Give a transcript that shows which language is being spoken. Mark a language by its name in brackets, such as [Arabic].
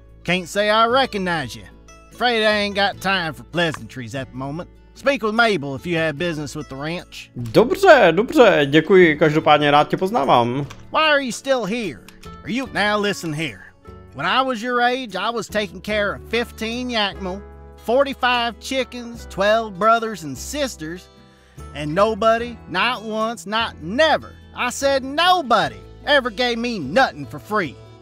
[English] Can't say I recognize you. Afraid I ain't got time for pleasantries at the moment. Speak with Mabel if you have business with the ranch. [Czech] Dobře, dobře, děkuji, každopádně rád tě poznávám. [English] Why are you still here? Are you... Now listen here. When I was your age, I was taking care of 15 yakmo, 45 chickens, 12 brothers and sisters, and nobody, not once, not never, I said nobody, ever gave me nothing for free.